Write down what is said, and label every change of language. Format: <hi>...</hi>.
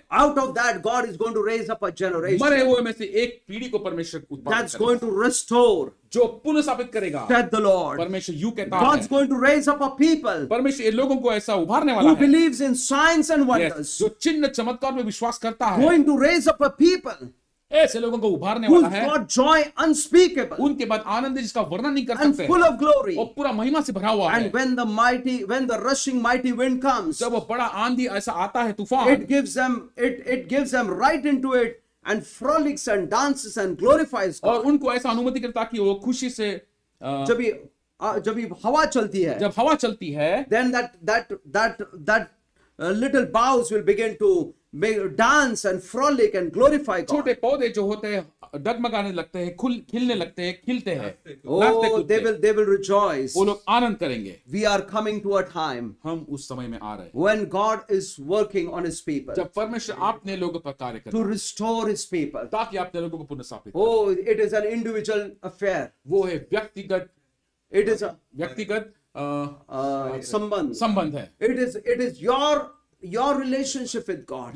<en>out of that God is going to raise up a generation.</en> <hi>मरे हुए में से एक पीढ़ी को परमेश्वर उत्पन्न करेगा.</hi> <en>That's going to restore.</en> <hi>जो पुनर्स्थापित करेगा.</hi> <en>Said the Lord.</en> <hi>परमेश्वर यू कहता है.</hi> <en>God's going to raise up a people.</en> <hi>परमेश्वर ये लोगों को ऐसा उभारने वाला है.</hi> <en>Who believes in signs and wonders.</en> <hi>जो चिन्ह चमत्कार में विश्वास करता है.</hi> <en>Going to raise up a people.</en> <hi>ऐसे लोगों को उभारने वाला है</hi> <en>God joy unspeakable,</en> <hi>उनके बाद आनंद है जिसका वर्णन नहीं कर सकते</hi> <en>and full of glory,</en> <hi>और पूरा महिमा से भरा हुआ</hi> <en>and</en> <hi>है</hi> <en>when the mighty, when the rushing mighty wind comes,</en> <hi>जब वो बड़ा आंधी ऐसा आता है तूफान</hi> <en>it gives them right into it and frolics and dances and glorifies God.</en> <hi>और उनको ऐसा अनुमति करता कि वो खुशी से जब हवा चलती है जब हवा चलती है</hi> <en>then that little boughs will begin to dance and frolic and glorify God.</en> <hi>छोटे पौधे जो होते हैं डगमगाने लगते हैं खिलने लगते हैं खिलते हैं</hi> <en>oh, they will rejoice.</en> <hi>वो लोग आनंद करेंगे.</hi> <en>We are coming to a time</en> <hi>हम उस समय में आ रहे हैं</hi> <en>when God is working on His people.</en> <hi>जब परमेश्वर अपने लोगों पर कार्य करे</hi> <en>to restore His people.</en> <hi>ताकि अपने लोगों को पुनर्स्थापित करे.</hi> <en>Oh, it is an individual affair.</en> <hi>वो है व्यक्तिगत.</hi> <en>It is a</en> <hi>व्यक्तिगत संबंध है.</hi> <en>It is your relationship with God.</en>